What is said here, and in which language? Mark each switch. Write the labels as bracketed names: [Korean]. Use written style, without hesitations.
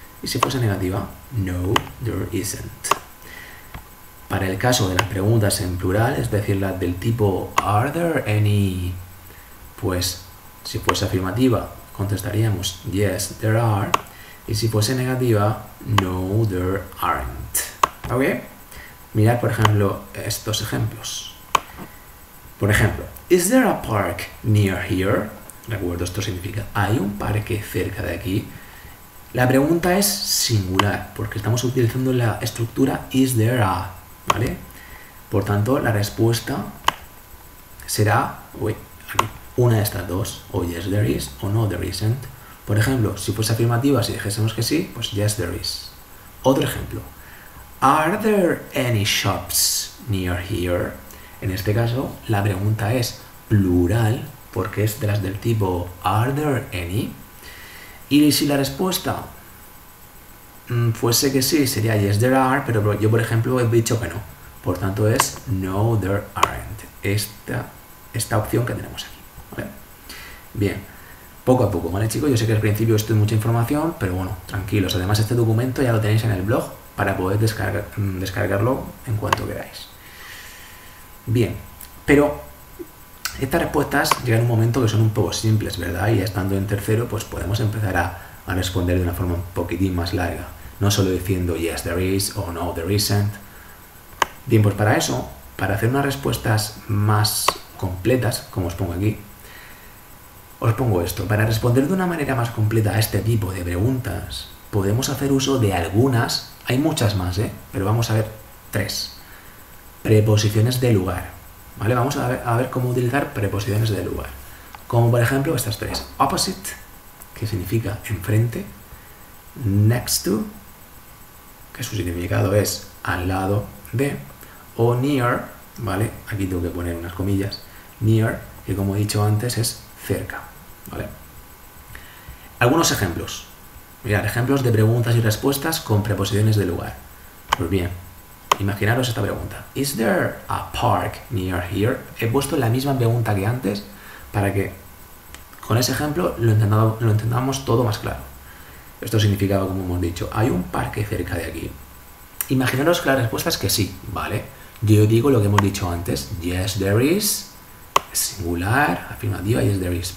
[Spanish] Y si fuese negativa, [English] no, there isn't. [Spanish] Para el caso de las preguntas en plural, es decir, las del tipo [English] are there any, [Spanish] pues si fuese afirmativa, contestaríamos [English] yes, there are. [Spanish] Y si fuese negativa, [English] no, there aren't. [Spanish] ¿Ok? Mirad, por ejemplo, estos ejemplos. Por ejemplo, [English] is there a park near here? [Spanish] Recuerdo, esto significa, ¿hay un parque cerca de aquí? La pregunta es singular, porque estamos utilizando la estructura [English] is there a, [Spanish] ¿vale? Por tanto, la respuesta será, uy, aquí, una de estas dos, o [English] yes there is, [Spanish] o [English] no there isn't. [Spanish] Por ejemplo, si fuese afirmativa, si dijésemos que sí, pues [English] yes there is. [Spanish] Otro ejemplo, [English] are there any shops near here? [Spanish] En este caso, la pregunta es plural, porque es de las del tipo [English] are there any. [Spanish] Y si la respuesta fuese que sí, sería [English] yes, there are, [Spanish] pero yo, por ejemplo, he dicho que no. Por tanto, es [English] no, there aren't. [Spanish] Esta opción que tenemos aquí. ¿Vale? Bien, poco a poco, ¿vale, chicos? Yo sé que al principio esto es mucha información, pero bueno, tranquilos. Además, este documento ya lo tenéis en el blog para poder descargarlo en cuanto queráis. Bien, pero estas respuestas llegan en un momento que son un poco simples, ¿verdad? Y estando en tercero, pues podemos empezar a responder de una forma un poquitín más larga. No solo diciendo [English] yes, there is [Spanish] o [English] no, there isn't. [Spanish] Bien, pues para eso, para hacer unas respuestas más completas, como os pongo aquí, os pongo esto. Para responder de una manera más completa a este tipo de preguntas, podemos hacer uso de algunas, hay muchas más, ¿eh? Pero vamos a ver tres. Preposiciones de lugar. ¿Vale? Vamos a ver cómo utilizar preposiciones de lugar. Como por ejemplo estas tres. Opposite, que significa enfrente. Next to, que su significado es al lado de. O near, ¿vale? Aquí tengo que poner unas comillas. Near, que como he dicho antes es cerca. ¿Vale? Algunos ejemplos. Mirad, ejemplos de preguntas y respuestas con preposiciones de lugar. Pues bien. Imaginaros esta pregunta. [English] ¿Is there a park near here? [Spanish] He puesto la misma pregunta que antes para que con ese ejemplo lo entendamos todo más claro. Esto significaba, como hemos dicho, ¿hay un parque cerca de aquí? Imaginaros que la respuesta es que sí, ¿vale? Yo digo lo que hemos dicho antes. [English] Yes, there is. [Spanish] Singular, afirmativa, [English] yes, there is.